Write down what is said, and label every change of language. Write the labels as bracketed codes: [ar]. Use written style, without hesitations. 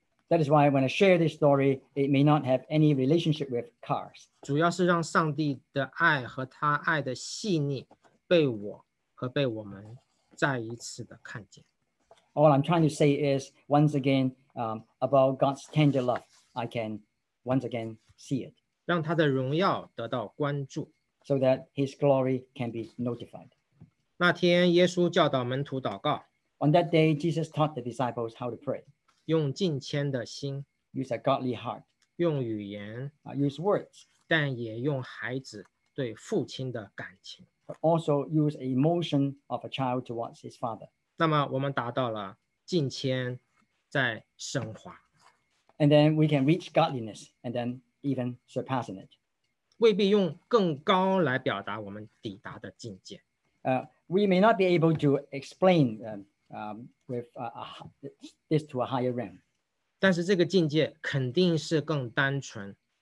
[en] That is why when I share this story, it may not have any relationship with cars. [zh] 主要是让上帝的爱和他爱的细腻被我和被我们再一次的看见。 [en] All I'm trying to say is, once again, about God's tender love, I can once again see it. [zh] 让他的荣耀得到关注。 [en] So that his glory can be notified. [zh] 那天耶稣教导门徒祷告。 [en] On that day, Jesus taught the disciples how to pray. [zh] 用敬虔的心, [en] use a godly heart, [zh] 用语言, [en] use words, [zh] 但也用孩子对父亲的感情, [en] but also use emotion of a child towards his father. [zh] 那么我们达到了敬虔再升华, [en] and then we can reach godliness and then even surpassing it. [zh] 未必用更高来表达我们抵达的境界, [en] we may not be able to explain with this to a higher realm. [zh] 但是这个境界肯定是更单纯,